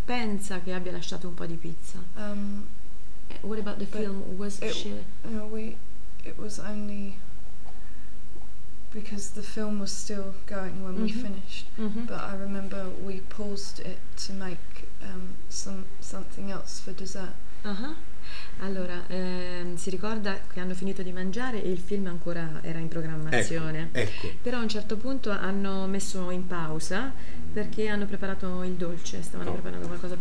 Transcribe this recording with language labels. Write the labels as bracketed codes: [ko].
[it] Pensa che abbia lasciato un po' di pizza. [en] What about the film? Was it, she? No, we. It was only because the film was still going when mm-hmm. we finished. Mm-hmm. But I remember we paused it to make. Something else for dessert. [it] Allora, si ricorda che hanno finito di mangiare e il film ancora era in programmazione. Ecco. Però a un certo punto hanno messo in pausa perché hanno preparato il dolce, stavano preparando qualcosa per